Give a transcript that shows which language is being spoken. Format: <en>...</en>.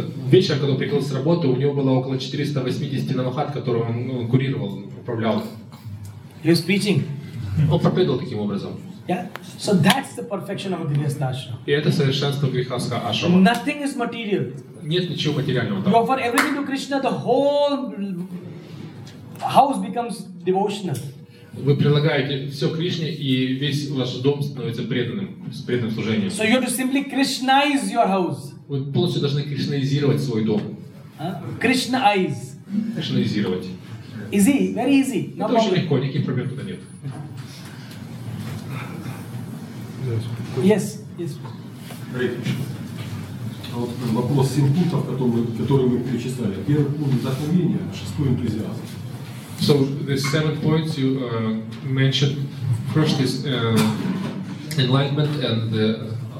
<ru>Вечером, когда он приходил с работы, у него было около 480 намахат, которые он курировал, управлял.</ru> <en>He was preaching.</en> <ru>Он проповедовал таким образом.</ru> <en>Yeah. So that's the perfection of a grihastha ashram.</en> <ru>И это совершенство грихастха ашрама.</ru> <en>Nothing is material.</en> <ru>Нет ничего материального там.</ru> <en>You offer everything to Krishna, the whole house becomes devotional.</en> <ru>Вы прилагаете все Кришне, и весь ваш дом становится преданным, с преданным служением.</ru> <en>So you have to simply Krishnaize your house.</en> <ru>Вы полностью должны кришнаизировать свой дом. Кришнаиз. Кришнаизировать.</ru> <en>Easy, very easy.</en> <ru>Это</ru> <en>no</en> <ru>очень легко, никаких проблем туда нет.</ru> <en>Yes.</en> <ru>Вот вопрос 7 пунктов, которые мы перечисляли. Первый пункт – вдохновение, шестой – энтузиазм.</ru> <en>So, the seventh point you mentioned, first is enlightenment and the</en>